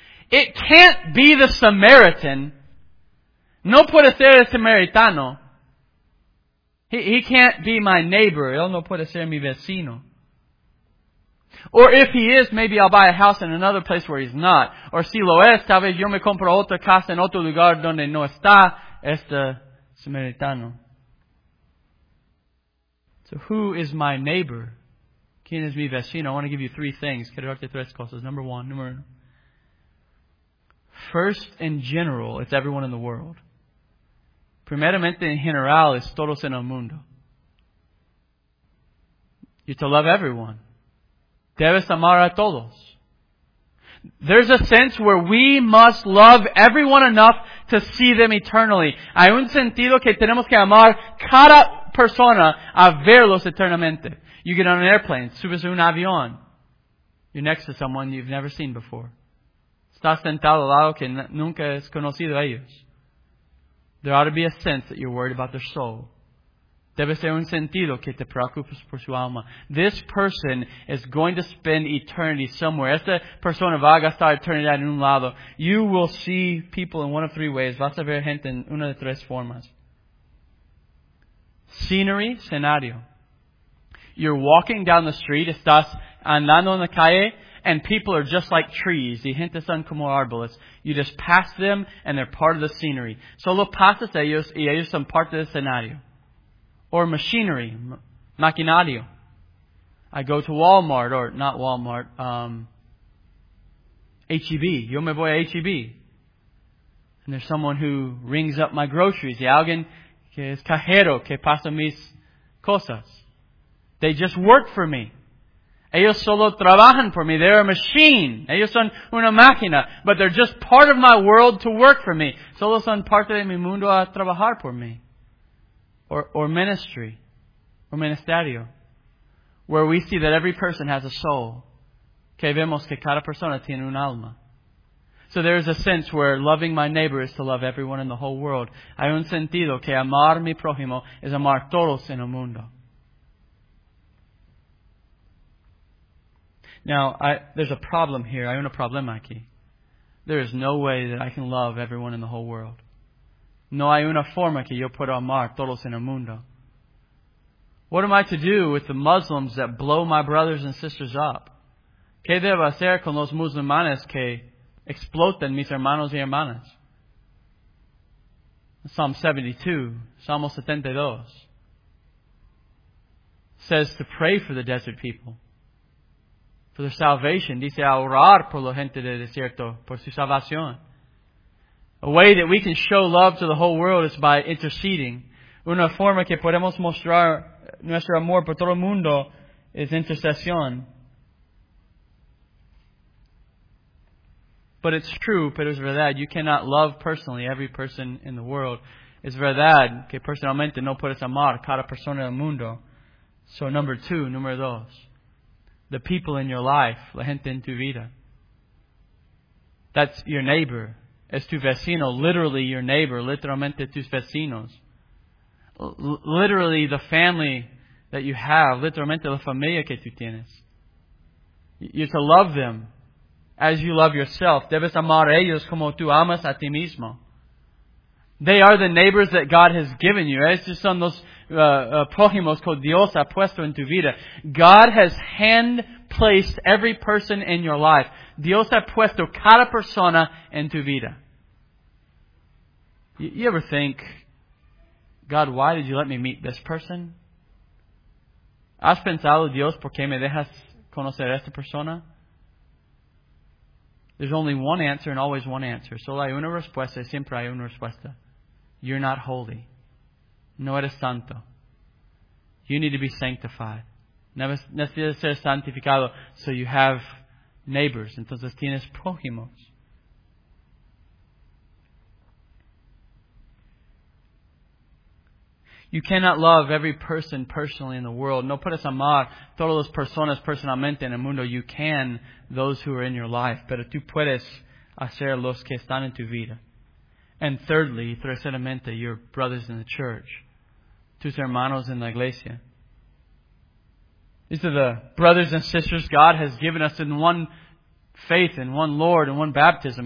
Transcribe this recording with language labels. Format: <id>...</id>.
<en>It can't be the Samaritan.</en> <es>No puede ser el samaritano.</es> <en>He can't be my neighbor.</en> <es>Él no puede ser mi vecino.</es> <en>Or if he is, maybe I'll buy a house in another place where he's not.</en> <es>Or si lo es, tal vez yo me compro otra casa en otro lugar donde no está este samaritano.</es> <en>So who is my neighbor?</en> <es>¿Quién es mi vecino?</es> <en>I want to give you three things.</en> <es>Quiero darte tres cosas.</es> <en>Number one.</en> <es>Número uno.</es> <en>First, in general, it's everyone in the world.</en> <es>Primeramente, en general, es todos en el mundo.</es> <en>You're to love everyone.</en> <es>Debes amar a todos.</es> <en>There's a sense where we must love everyone enough to see them eternally.</en> <es>Hay un sentido que tenemos que amar cada persona a verlos eternamente.</es> <en>You get on an airplane,</en> <es>subes un avión.</es> <en>You're next to someone you've never seen before.</en> <es>Estás sentado al lado que nunca has conocido a ellos.</es> <en>There ought to be a sense that you're worried about their soul.</en> <es>Debe ser un sentido que te preocupes por su alma.</es> <en>This person is going to spend eternity somewhere.</en> <es>Esta persona va a gastar eternidad en un lado.</es> <en>You will see people in one of three ways.</en> <es>Vas a ver gente en una de tres formas.</es> <en>Scenery, escenario. You're walking down the street.</en> <es>Estás andando en la calle.</es> <en>And people are just like trees.</en> <es>Y gente son como árboles.</es> <en>You just pass them and they're part of the scenery.</en> <es>Solo pasas a ellos y ellos son parte del escenario.</es> <en>Or machinery, maquinario. I go to Walmart, or not Walmart, HEB.</en> <es>Yo me voy a HEB.</es> <en>And there's someone who rings up my groceries.</en> <es>Y alguien que es cajero, que pasa mis cosas.</es> <en>They just work for me.</en> <es>Ellos solo trabajan por mí.</es> <en>They're a machine.</en> <es>Ellos son una máquina.</es> <en>But they're just part of my world to work for me.</en> <es>Solo son parte de mi mundo a trabajar por mí.</es> <en>Or ministry. Or ministerio. Where we see that every person has a soul.</en> <es>Que vemos que cada persona tiene un alma.</es> <en>So there is a sense where loving my neighbor is to love everyone in the whole world.</en> <es>Hay un sentido que amar mi prójimo es amar todos en el mundo.</es> <en>Now, there's a problem here.</en> <es>Hay un problema aquí.</es> <en>There is no way that I can love everyone in the whole world.</en> <es>No hay una forma que yo pueda amar todos en el mundo.</es> <en>What am I to do with the Muslims that blow my brothers and sisters up?</en> <es>¿Qué debo hacer con los musulmanes que explotan mis hermanos y hermanas?</es> <en>Psalm 72, Salmo 72, says to pray for the desert people. For their salvation,</en> <es>dice a orar por la gente del desierto, por su salvación.</es> <en>A way that we can show love to the whole world is by interceding.</en> <es>Una forma que podemos mostrar nuestro amor por todo el mundo es intercesión. But</es> <en>But it's true,</en> <es>pero es verdad,</es> <en>you cannot love personally every person in the world.</en> <es>Es verdad que personalmente no puedes amar cada persona del mundo.</es> <en>So number two,</en> <es>número dos,</es> <en>the people in your life,</en> <es>la gente en tu vida.</es> <en>That's your neighbor.</en> <es>Es tu vecino,</es> <en>literally your neighbor,</en> <es>literalmente tus vecinos.</es> <en>Literally the family that you have,</en> <es>literalmente la familia que tú tienes.</es> <en>You're to love them as you love yourself.</en> <es>Debes amar ellos como tú amas a ti mismo.</es> <en>They are the neighbors that God has given you.</en> <es>Estos son los prójimos que Dios ha puesto en tu vida.</es> <en>God has hand-placed every person in your life.</en> <es>Dios ha puesto cada persona en tu vida.</es> <en>You ever think, God, why did you let me meet this person?</en> <es>¿Has pensado, Dios, por qué me dejas conocer a esta persona?</es> <en>There's only one answer and always one answer.</en> <es>Solo hay una respuesta y siempre hay una respuesta.</es> <en>You're not holy.</en> <es>No eres santo.</es> <en>You need to be sanctified.</en> <es>Necesitas ser santificado.</es> <en>So you have neighbors.</en> <es>Entonces tienes prójimos.</es> <en>You cannot love every person personally in the world.</en> <es>No puedes amar todas las personas personalmente en el mundo.</es> <en>You can those who are in your life.</en> <es>Pero tú puedes hacer los que están en tu vida.</es> <en>And thirdly,</en> <es>terceramente,</es> <en>your brothers in the church.</en> <es>Tus hermanos en la iglesia.</es> <en>These are the brothers and sisters God has given us in one faith, in one Lord, in one baptism.</en>